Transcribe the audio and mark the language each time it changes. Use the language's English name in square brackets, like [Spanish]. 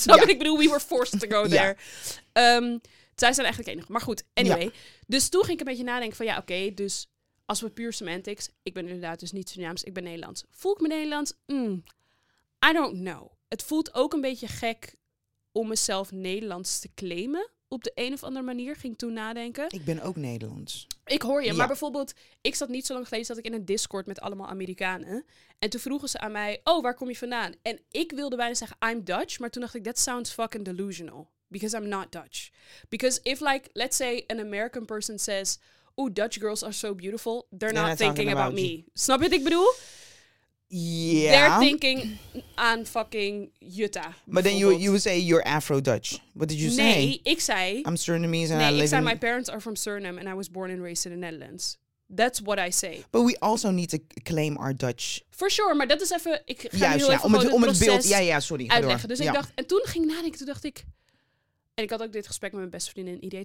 [Dutch] Snap wat ik bedoel? [English] We were forced to go there. [Dutch] Zij zijn eigenlijk de enige. Maar goed, anyway. Ja. Dus toen ging ik een beetje nadenken van, ja, oké, dus... Als we puur semantics, ik ben inderdaad dus niet Surinaams, ik ben Nederlands. Voel ik me Nederlands? [English] I don't know. [Dutch] Het voelt ook een beetje gek om mezelf Nederlands te claimen. Op de een of andere manier, ging toen nadenken. Ik ben ook Nederlands. Ik hoor je, maar bijvoorbeeld, ik zat niet zo lang geleden, zat ik in een Discord met allemaal Amerikanen. En toen vroegen ze aan mij, oh, waar kom je vandaan? En ik wilde bijna zeggen, [English] I'm Dutch, [Dutch] maar toen dacht ik, [English] that sounds fucking delusional. Because I'm not Dutch. Because if like, let's say an American person says... Oeh, Dutch girls are so beautiful. They're not thinking about me. [Dutch] Snap je wat ik bedoel? [English] Yeah. They're thinking [Dutch] aan [English] fucking Jutta. But then you would say you're Afro-Dutch. What did you say? [Dutch] Nee, ik zei... [English] I'm Surinamese and I live in... [Dutch] Nee, ik zei [English] my parents are from Suriname and I was born and raised in the Netherlands. That's what I say. But we also need to claim our Dutch. For sure, [Dutch] maar dat is even... Ik ga om het beeld uitleggen. Ga door. Dus ik dacht... En toen ging ik nadenken, toen dacht ik... En ik had ook dit gesprek met mijn beste vriendin in idee.